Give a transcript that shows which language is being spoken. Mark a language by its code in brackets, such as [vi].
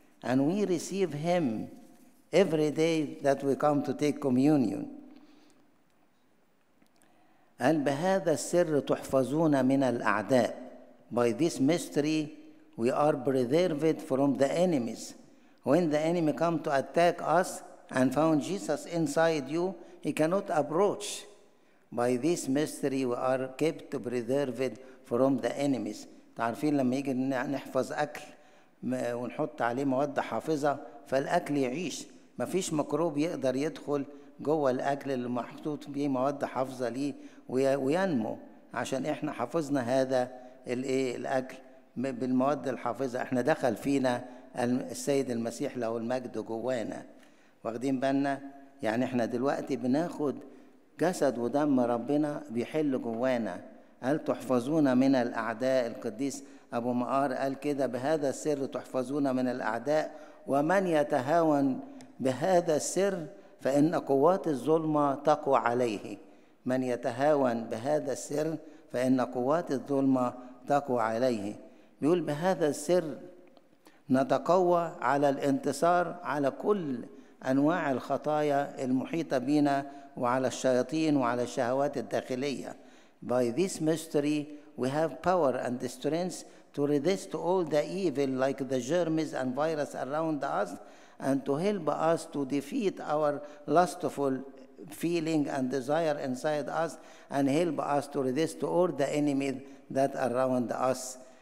[en] And we receive him every day that we come to take communion. [ar] قال بهذا السر تحفظون من الأعداء. [en] By this mystery we are preserved from the enemies. When the enemy come to attack us and found Jesus inside you, he cannot approach. By this mystery we are kept preserved from the enemies. [ar] تعرفين لما يجي نحفظ أكل ونحط عليه مواد حافظة فالأكل يعيش، ما فيش ميكروب يقدر يدخل جوه الأكل اللي محطوط بيه مواد حافظة ليه وينمو، عشان إحنا حفظنا هذا الأكل بالمواد الحافظة. إحنا دخل فينا السيد المسيح له المجد جوانا، واخدين بالنا؟ يعني إحنا دلوقتي بناخد جسد ودم ربنا بيحل جوانا. هل تحفظون من الأعداء؟ القديس أبو مقار قال كده، بهذا السر تحفظون من الأعداء، ومن يتهاون بهذا السر فإن قوات الظلمة تقوى عليه. من يتهاون بهذا السر فإن قوات الظلمة تقوى عليه. يقول بهذا السر نتقوى على الانتصار على كل أنواع الخطايا المحيطة بنا وعلى الشياطين وعلى الشهوات الداخلية. [en] By this mystery we have power and strength to resist all the evil like the germs and virus around us and to help us to defeat our lustful feeling and desire inside us and help us to resist all the enemies that are around us.